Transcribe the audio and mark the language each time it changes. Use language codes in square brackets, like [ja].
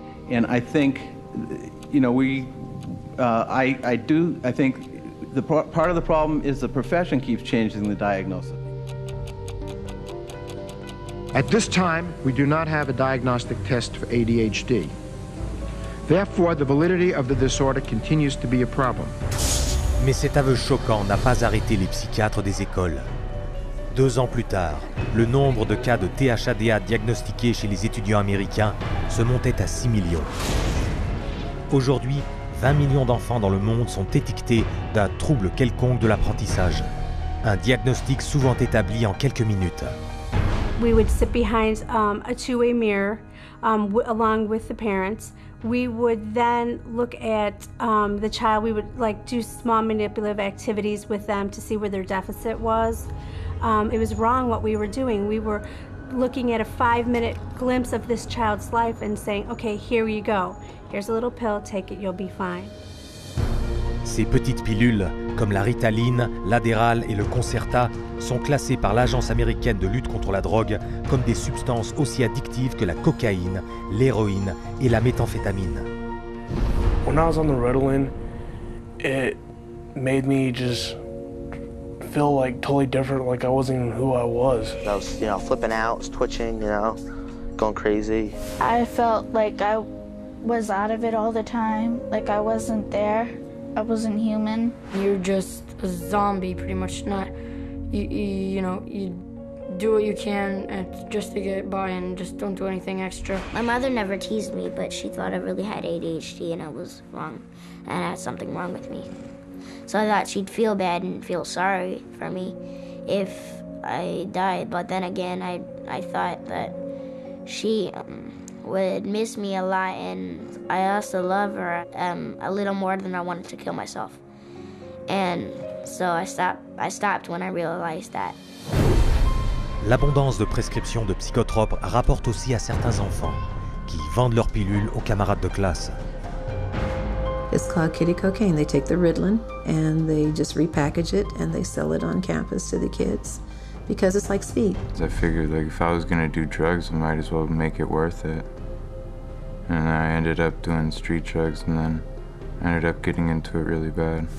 [en] And I think, you know, I think the part of the problem is the profession keeps changing the diagnosis. At this time, we do not have a diagnostic test for ADHD. Therefore, the validity of the disorder continues to be a problem. [fr] Mais cet aveu choquant n'a pas arrêté les psychiatres des écoles. 2 ans plus tard, le nombre de cas de THADA diagnostiqués chez les étudiants américains se montait à 6 millions. Aujourd'hui, 20 millions d'enfants dans le monde sont étiquetés d'un trouble quelconque de l'apprentissage. Un diagnostic souvent établi en quelques minutes. [en] We would sit behind a two-way mirror along with the parents. We would then look at the child. We would like do small manipulative activities with them to see where their deficit was. It was wrong what we were doing. We were looking at a 5-minute glimpse of this child's life and saying, okay, here you go. Here's a little pill, take it, you'll be fine. [fr] Ces petites pilules, comme la Ritaline, l'Adderall et le Concerta, sont classées par l'Agence américaine de lutte contre la drogue comme des substances aussi addictives que la cocaïne, l'héroïne et la méthamphétamine. [en] When I was on the Ritalin, it made me just feel like totally different, like I wasn't even who I was. I was, you know, flipping out, twitching, you know, going crazy. I felt like I was out of it all the time, like I wasn't there. I wasn't human. You're just a zombie, pretty much. You do what you can just to get by and just don't do anything extra. My mother never teased me, but she thought I really had ADHD and I was wrong, and I had something wrong with me. So I thought she'd feel bad and feel sorry for me if I died. But then again, I thought that she would miss me a lot, and I also love her a little more than I wanted to kill myself. And so I stopped when I realized that. [fr] L'abondance de prescriptions de psychotropes rapporte aussi à certains enfants qui vendent leurs pilules aux camarades de classe. [en] It's called kitty cocaine. They take the Ritalin and they just repackage it and they sell it on campus to the kids because it's like speed. I figured like if I was going to do drugs, I might as well make it worth it. And I ended up doing street drugs, and then ended up getting into it really bad.